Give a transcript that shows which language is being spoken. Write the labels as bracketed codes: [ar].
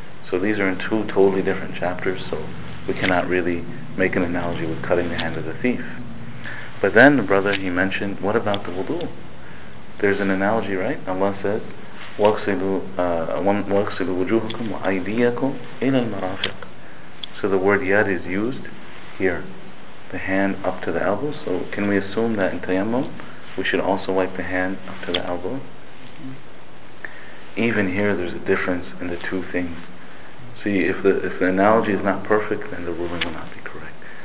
[en] So these are in two totally different chapters, so we cannot really make an analogy with cutting the hand of the thief. But then the brother, he mentioned, what about the wudu? There's an analogy, right? Allah says, [ar] وَاغْسِلُوا وُجُوهَكُمْ وَأَيْدِيَكُمْ إِلَى الْمَرَافِقِ. [en] So the word yad is used here, the hand up to the elbow. So can we assume that in tayammum we should also wipe the hand up to the elbow? Even here there's a difference in the two things. See, if the analogy is not perfect, then the ruling will not be correct.